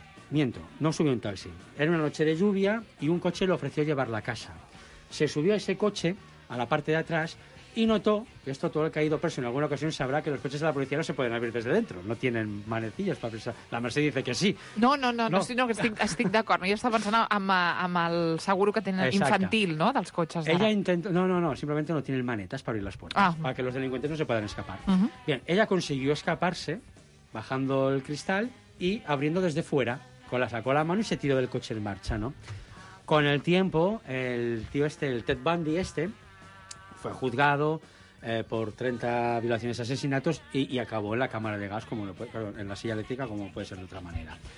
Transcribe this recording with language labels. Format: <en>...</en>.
<es>Miento, no subió un taxi. Era una noche de lluvia y un coche le ofreció llevarla a casa. Se subió a ese coche, a la parte de atrás, y notó, que esto todo el caído preso en alguna ocasión sabrá, que los coches de la policía no se pueden abrir desde dentro. No tienen manecillas para presar. La Mercè dice que sí.</es> <ca>No, que estic d'acord. Jo estava pensant amb el seguro que tenen infantil, no?, dels cotxes.</ca> <es>Ella intentó... No, simplemente no tienen manetas para abrir las puertas, para que los delincuentes no se puedan escapar. Uh-huh. Bien, ella consiguió escaparse bajando el cristal y abriendo desde fuera, sacó la mano y se tiró del coche en marcha, ¿no? Con el tiempo, el tío este, el Ted Bundy este, fue juzgado por 30 violaciones y asesinatos y acabó en la cámara de gas, en la silla eléctrica, como puede ser de otra manera.</es>